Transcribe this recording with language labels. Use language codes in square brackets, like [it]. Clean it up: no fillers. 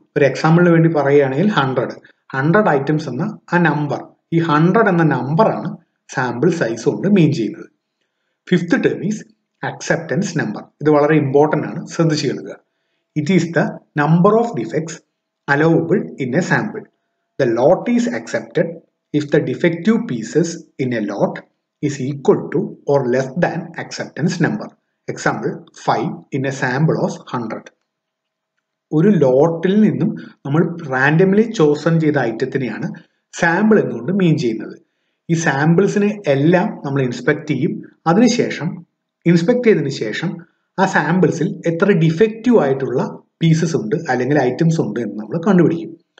[ml] ഒരു എക്സാമ്പിളിന് വേണ്ടി പറയുകയാണെങ്കിൽ 100 ഐറ്റംസ് എന്ന ആ നമ്പർ, ഈ 100 എന്ന നമ്പറാണ് സാമ്പിൾ സൈസ് കൊണ്ട് മീൻ ചെയ്യുന്നത്. [en] Fifth term is acceptance number. [ml] ഇത് വളരെ ഇമ്പോർട്ടൻ്റ് ആണ്, ശ്രദ്ധിച്ച് കേൾക്കുക. [en] It is the number of defects allowable in a sample. The lot is accepted if the defective pieces in a lot is equal to or less than acceptance number. Example, 5 in a sample of 100. [ml] ഒരു ലോട്ടിൽ നിന്നും നമ്മൾ randomly chosen ചെയ്ത ഐറ്റത്തിനെയാണ് sample എന്നുകൊണ്ട് മീൻ ചെയ്യുന്നത്. ഈ സാമ്പിൾസിനെ എല്ലാം നമ്മൾ inspect ചെയ്യും. അതിനുശേഷം ഇൻസ്പെക്ട് ചെയ്തതിന് ശേഷം ആ സാമ്പിൾസിൽ എത്ര ഡിഫക്റ്റീവ് ആയിട്ടുള്ള പീസസ് ഉണ്ട് അല്ലെങ്കിൽ ഐറ്റംസ് ഉണ്ട് എന്ന് നമ്മൾ കണ്ടുപിടിക്കും.